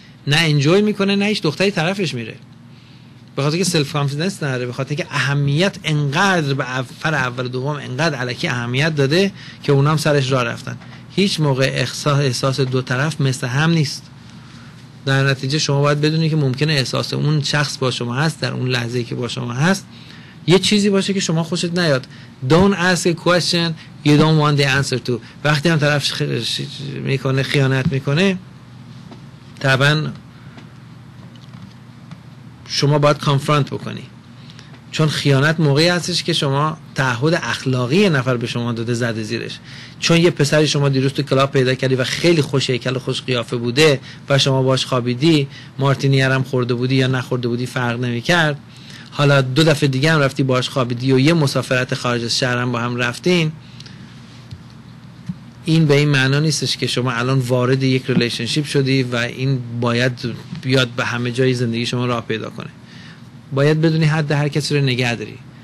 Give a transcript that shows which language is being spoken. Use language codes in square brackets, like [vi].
[fa] نه انجوی میکنه، نه هیچ دختری طرفش میره. به خاطر که سلف کانفیدنس نداره، به خاطر که اهمیت انقدر به فر اول و دوم انقدر علکی اهمیت داده که اونام سرش راه رفتن. هیچ موقع احساس دو طرف مثل هم نیست. در نتیجه شما باید بدونی که ممکنه احساس اون شخص با شما هست در اون لحظه که با شما هست یه چیزی باشه که شما خوشت نیاد. [en] Don't ask a question you don't want the answer to. [fa] وقتی هم طرف میکنه خیانت میکنه، طبعا شما باید کانفرانت بکنی، چون خیانت موقعی هستش که شما تعهد اخلاقی نفر به شما داده زده زیرش. چون یه پسری شما دیروز تو کلاب پیدا کردی و خیلی خوش هیکل و خوش قیافه بوده و شما باش خوابیدی، مارتینی هم خورده بودی یا نخورده بودی فرق نمی کرد، حالا دو دفعه دیگه هم رفتی باش خوابیدی و یه مسافرت خارج از شهر هم با هم رفتین، این به این معنا نیستش که شما الان وارد یک ریلیشنشیپ شدی و این باید بیاد به همه جای زندگی شما راه پیدا کنه. باید بدونی حد هر کسی رو نگه داری.